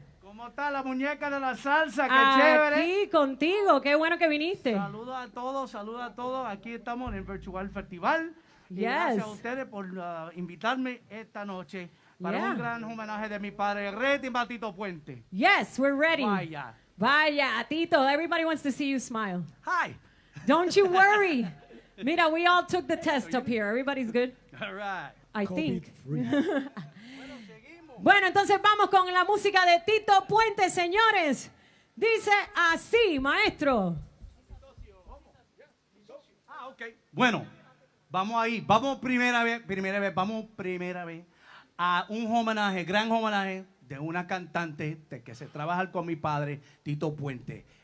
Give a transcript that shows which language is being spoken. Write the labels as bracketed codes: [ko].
[es] ¿Cómo está la muñeca de la salsa? ¡Qué chévere! Aquí contigo, qué bueno que viniste. Saludos a todos. Aquí estamos en el Virtual Festival. [en] Yes. [es] Gracias a ustedes por invitarme esta noche para un gran homenaje de mi padre, Reti Matito Puente. [en] Yes, we're ready. [es] Vaya. [en] Vaya, Tito, everybody wants to see you smile. Hi. Don't you worry. Mira, we all took the test up here. Everybody's good? All right. COVID-free. [es] Bueno, entonces vamos con la música de Tito Puente, señores. Dice así, maestro. Ah, okay. Bueno, vamos ahí. Vamos primera vez a un homenaje, gran homenaje de una cantante de que se trabaja con mi padre, Tito Puente.